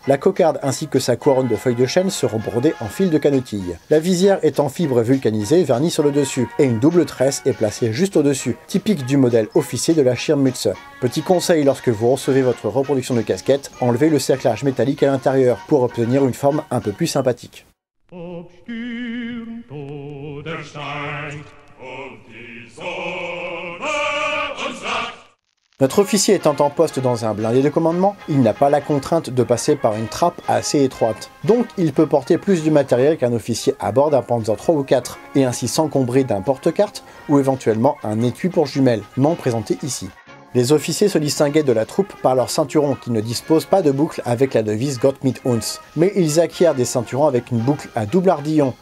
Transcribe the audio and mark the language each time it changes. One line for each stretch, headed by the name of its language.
French: La cocarde ainsi que sa couronne de feuilles de chêne seront brodées en fil de canotille. La visière est en fibre vulcanisée, vernie sur le dessus, et une double tresse est placée juste au-dessus, typique du modèle officier de la Schirmmütze. Petit conseil, lorsque vous recevez votre reproduction de casquette, enlevez le cerclage métallique à l'intérieur pour obtenir une forme un peu plus sympathique.
German: Ob stürmt oder steigt, ob die Sonne uns lacht.
French: Notre officier étant en poste dans un blindé de commandement, il n'a pas la contrainte de passer par une trappe assez étroite. Donc, il peut porter plus du matériel qu'un officier à bord d'un Panzer 3 ou 4, et ainsi s'encombrer d'un porte-carte ou éventuellement un étui pour jumelles, non présenté ici. Les officiers se distinguaient de la troupe par leur ceinturon qui ne dispose pas de boucle avec la devise Gott mit uns, mais ils acquièrent des ceinturons avec une boucle à double ardillon.